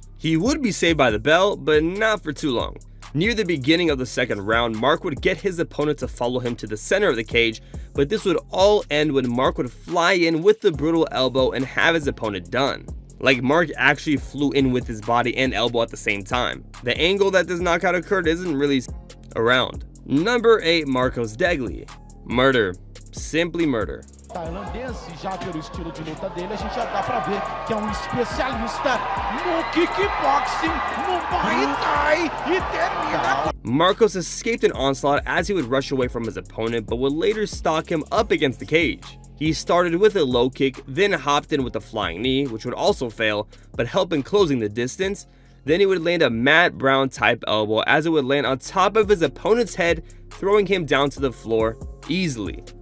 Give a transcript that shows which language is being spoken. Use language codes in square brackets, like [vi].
[en] He would be saved by the bell, but not for too long. Near the beginning of the second round, Mark would get his opponent to follow him to the center of the cage, but this would all end when Mark would fly in with the brutal elbow and have his opponent done. Like, Mark actually flew in with his body and elbow at the same time. The angle that this knockout occurred isn't really around. Number 8, Marcos Degli. Murder. Simply murder. [pt] Tailandês, e já pelo estilo de luta dele, a gente já dá pra ver que é um especialista no kickboxing, no Muay Thai, e termina... [en] Marcos escaped an onslaught as he would rush away from his opponent, but would later stalk him up against the cage. He started with a low kick, then hopped in with a flying knee, which would also fail, but help in closing the distance. Then he would land a Matt Brown type elbow as it would land on top of his opponent's head, throwing him down to the floor easily.